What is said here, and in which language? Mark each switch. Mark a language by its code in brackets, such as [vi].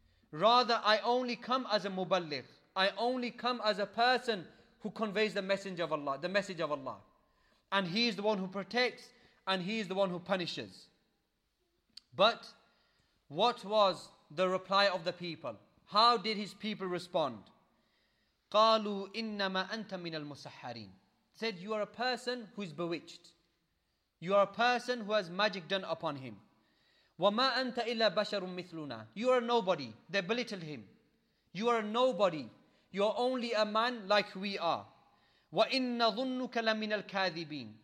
[en] Rather, I only come as a muballigh. I only come as a person who conveys the message of Allah. The message of Allah. And He is the one who protects, and He is the one who punishes. But what was the reply of the people? How did his people respond? [ar] قالوا إنما أنت من المسحرين. [en] Said, you are a person who is bewitched. You are a person who has magic done upon him. وما أنت إلا بشر مثلنا. You are a nobody. They belittle him. You are a nobody. You are only a man like we are. [ar] وإن ظنك لمن الكاذبين.